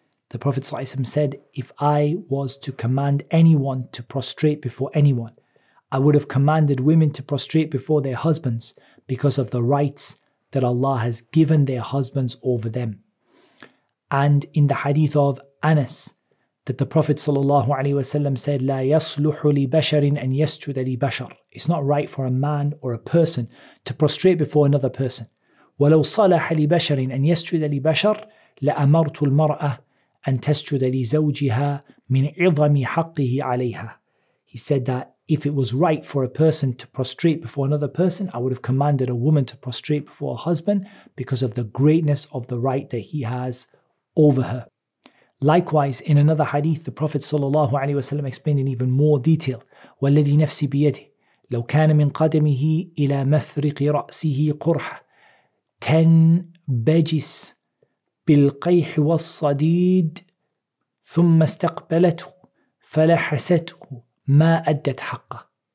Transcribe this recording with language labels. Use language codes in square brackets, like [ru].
[en] The Prophet ﷺ said, if I was to command anyone to prostrate before anyone, I would have commanded women to prostrate before their husbands because of the rights that Allah has given their husbands over them. And in the hadith of Anas, that the Prophet sallallahu alaihi wasallam said, [ar] لا يصلح لبشر أن يسجد لبشر. [en] It's not right for a man or a person to prostrate before another person. [ar] ولو صلح لبشر أن يسجد لبشر لأمرت المرأة أن تسجد لزوجها من عظم حقه عليها. [en] He said that if it was right for a person to prostrate before another person, I would have commanded a woman to prostrate before a husband because of the greatness of the right that he has over her. Likewise, in another hadith, the Prophet sallallahu alaihi wasallam explained in even more detail, [ar] وَالَّذِي نَفْسِ بِيَدِهِ لَوْ كَانَ مِنْ قَدَمِهِ إِلَى مَفْرِقِ رَأْسِهِ قُرْحَ 10 بَجِسْ بِالْقَيْحِ وَالصَّدِيدِ ثُمَّ اسْتَقْبَلَتُهُ فَلَحَسَتُهُ مَا أَدَّتْ حَقَّهُ.